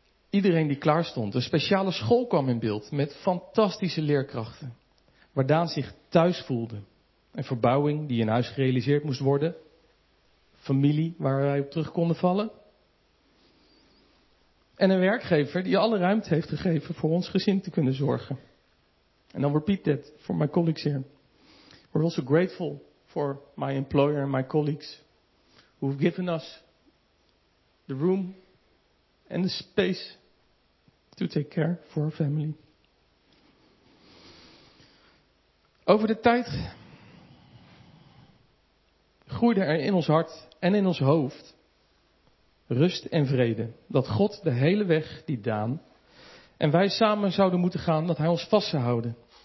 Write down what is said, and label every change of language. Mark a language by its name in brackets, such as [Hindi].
[Dutch] Iedereen die klaar stond. Een speciale school kwam in beeld met fantastische leerkrachten. Waar Daan zich thuis voelde. Een verbouwing die in huis gerealiseerd moest worden. Familie waar wij op terug konden vallen. En een werkgever die alle ruimte heeft gegeven voor ons gezin te kunnen zorgen. En dan [English] repeat that for my colleagues here. We're also grateful for my employer and my colleagues who've given us the room and the space to take care for our family. [Dutch] Over de tijd groeide er in ons hart en in ons hoofd rust en vrede dat God de hele weg die Daan en wij samen zouden moeten gaan, dat hij ons vast zou houden.